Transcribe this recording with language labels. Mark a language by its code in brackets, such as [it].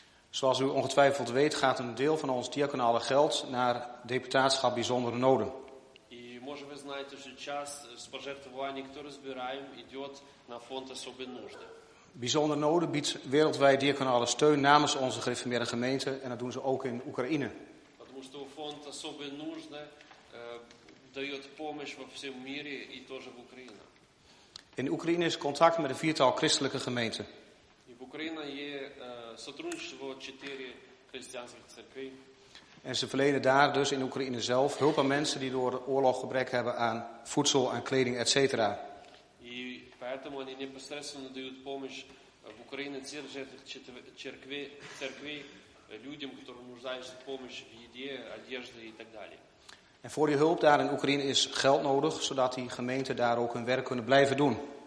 [nl] Zoals u ongetwijfeld weet, gaat een deel van ons diaconale geld naar deputaatschap bijzondere noden. [ru] Может, вы знаете, что сейчас с пожертвований, которые собираем, идет на фонд особой нужды. [nl] Bijzondere noden biedt wereldwijd diaconale steun namens onze gereformeerde gemeente en dat doen ze ook in Oekraïne. [ru] Потому что фонд особой нужды дает помощь во всем мире и тоже в Украине. [nl] In Oekraïne is contact met een viertal christelijke gemeenten. [ru] И в Украине есть сотрудничество четыре христианских церквей. [nl] En ze verlenen daar dus in Oekraïne zelf hulp aan mensen die door de oorlog gebrek hebben aan voedsel, aan kleding, etc. [ru] И поэтому они непосредственно дают помощь в Украине церкви людям, которым нуждаются в помощи в еде, одежде и так далее. [nl] En voor die hulp daar in Oekraïne is geld nodig, zodat die gemeenten daar ook hun werk kunnen blijven doen.